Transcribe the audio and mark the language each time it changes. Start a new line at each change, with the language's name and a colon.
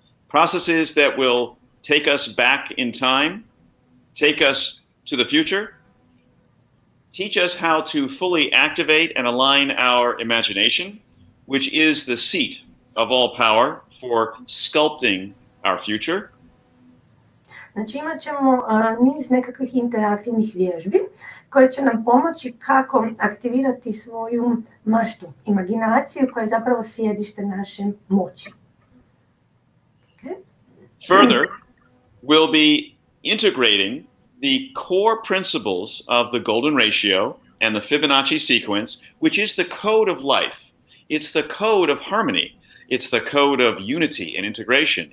English: Processes that will take us back in time, take us to the future, teach us how to fully activate and align our imagination, which is the seat of all power for sculpting our future.
Croatian: Znači, imat ćemo niz nekakvih interaktivnih vježbi koje će nam pomoći kako aktivirati svoju maštu, imaginaciju koja je zapravo sjedište naše moći.
English: Okay. Further, we'll be integrating the core principles of the golden ratio and the Fibonacci sequence, which is the code of life. It's the code of harmony. It's the code of unity and integration.